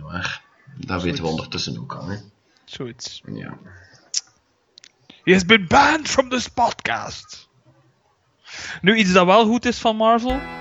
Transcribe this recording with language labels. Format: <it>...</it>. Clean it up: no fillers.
<nl>Hoor. Dat weten we ondertussen ook al. Zoiets. Ja.</nl> <en>He has been banned from this podcast.</en> <nl>Nu, iets dat wel goed is van Marvel.</nl>